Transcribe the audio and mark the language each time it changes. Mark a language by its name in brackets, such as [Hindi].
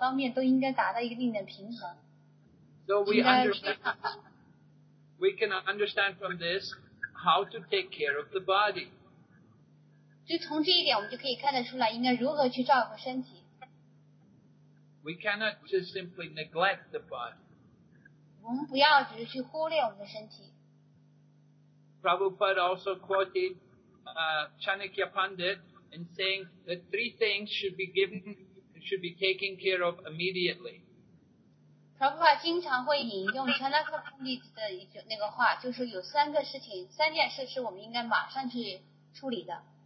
[Chinese] 所以呢，我们在自己的工作和娱乐两方面都应该达到一定的平衡。 [English] So we can understand from this how to take care of the body. [Chinese] 就从这一点，我们就可以看得出来应该如何去照顾身体。 [English] We cannot just simply neglect the body. [Chinese] 我们不要只是去忽略我们的身体。 [English] Prabhupada also quoted Chanakya Pandit in saying that three things should be taken care of immediately. [Chinese] Prabhupada经常会引用Chanakya Pandit的那个话，就是有三个事情，三件事是我们应该马上去处理的。